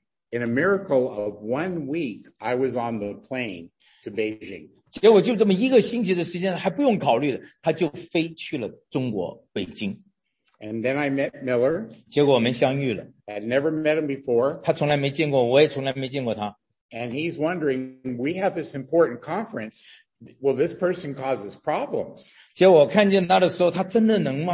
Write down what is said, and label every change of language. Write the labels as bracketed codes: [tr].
[en] In a miracle of 1 week, I was on the plane to Beijing. [zh] 结果就这么1个星期的时间，还不用考虑的，他就飞去了中国北京。 [en] And then I met Miller. [zh] 结果我们相遇了。 [en] I'd never met him before. [zh] 他从来没见过，我也从来没见过他。 [en] And he's wondering, we have this important conference. Well, this person causes problems. [zh] 结果我看见他的时候，他真的能吗？